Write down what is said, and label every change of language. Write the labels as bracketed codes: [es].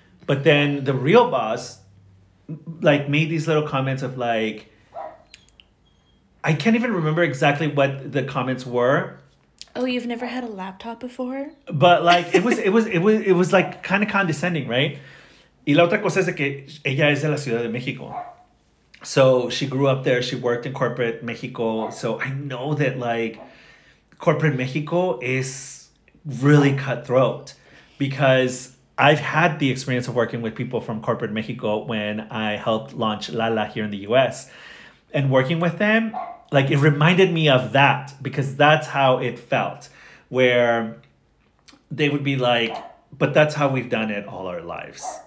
[en] But then the real boss, like, made these little comments of, like, I can't even remember exactly what the comments were. Oh, you've never had a laptop before? But, like, it was like kind of condescending, right? [es] Y la otra cosa es de que ella es de la Ciudad de México. [en] So she grew up there. She worked in corporate Mexico. So I know that, like, corporate Mexico is really cutthroat, because I've had the experience of working with people from corporate Mexico when I helped launch Lala here in the U.S. And working with them, like, it reminded me of that, because that's how it felt, where they would be like, but that's how we've done it all our lives.